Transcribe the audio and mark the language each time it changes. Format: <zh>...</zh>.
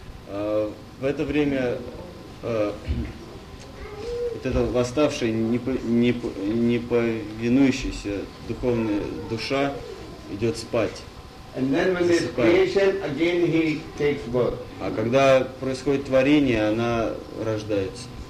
<ru>В это время это восставшая не повинующаяся духовная душа идет спать.</ru> <en>And then when there's creation, again he takes birth.</en> <ru>А когда происходит творение, она рождается.</ru>